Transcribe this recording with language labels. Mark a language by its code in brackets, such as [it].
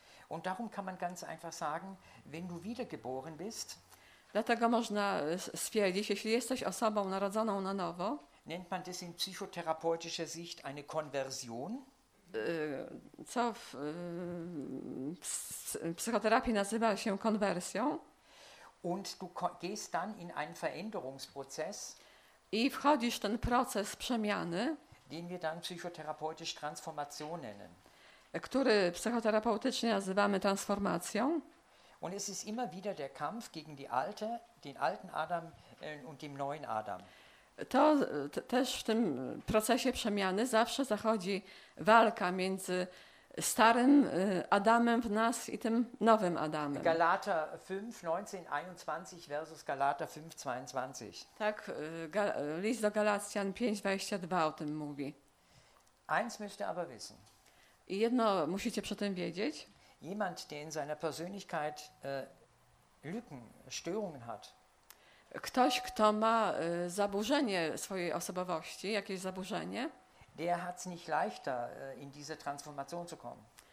[de] Und darum kann man ganz einfach sagen, wenn du wiedergeboren bist, [pl] dlatego można stwierdzić, jeśli jesteś osobą narodzoną na nowo, [de] nennt man das in psychotherapeutischer Sicht eine Konversion, [pl] co w psychoterapii nazywa się konwersją. [de] Und du gehst dann in einen Veränderungsprozess. [pl] I wchodzisz ten proces przemiany, [de] den wir dann psychotherapeutisch Transformation nennen. [pl] Który psychoterapeutycznie nazywamy transformacją. [de] Und es ist immer wieder der Kampf gegen die alte, den alten Adam und dem neuen Adam. [pl] To też w tym procesie przemiany zawsze zachodzi walka między starym Adamem w nas i tym nowym Adamem. [de] Galater 5, 19, 21 versus Galater 5, 22. [pl] Tak, list do Galacjan 5, 22 o tym mówi. [de] Eins müsst ihr aber wissen. [pl] I jedno musicie przy tym wiedzieć. [de] Jemand, der in seiner Persönlichkeit Lücken, Störungen hat, [pl] ktoś, kto ma zaburzenie swojej osobowości, jakieś zaburzenie, [de] der hat's nicht leichter, in diese Transformation zu kommen.